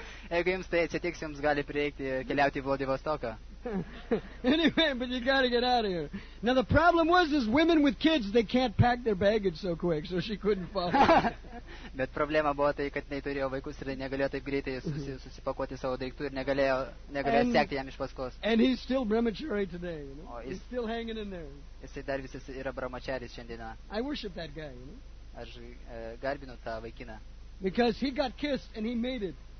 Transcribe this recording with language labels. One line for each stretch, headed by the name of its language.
Lithuanian: Jeigu jums tai atsitiks, jums gali prireikti keliauti į Vladivostoką.
English: Anyway, but you gotta get out of here. Now the problem was is women with kids, they can't pack their baggage so quick, so she couldn't follow.
Lithuanian: Bet problema buvo tai, kad jinai turėjo vaikus ir negalėjo taip greitai susipakuoti savo daiktų ir negalėjo sekti jam iš paskos.
English: And he's still brahmachari today, you know? He's still hanging in there.
Lithuanian: Jisai dar visas yra brahmacharis šiandieną.
English: I worship that guy, you know?
Lithuanian: Aš garbinu tą vaikiną.
English: Because he got kissed and he made it.